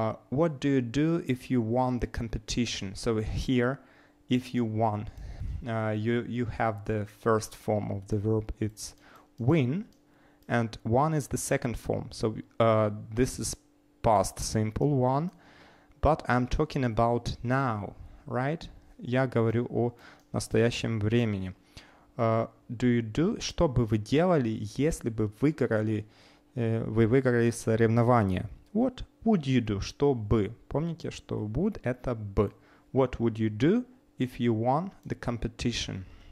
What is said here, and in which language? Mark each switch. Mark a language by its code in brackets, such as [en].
[en] What do you do if you won the competition? So here, if you won, you have the first form of the verb. It's win, and won is the second form. So this is past simple one, but I'm talking about now, right? [ru] Я говорю о настоящем времени. [en] Do you do? [ru] Что бы вы делали, если бы выиграли соревнование? [en] What would you do? [ru] Что бы? Помните, что would это бы. [en] What would you do if you won the competition?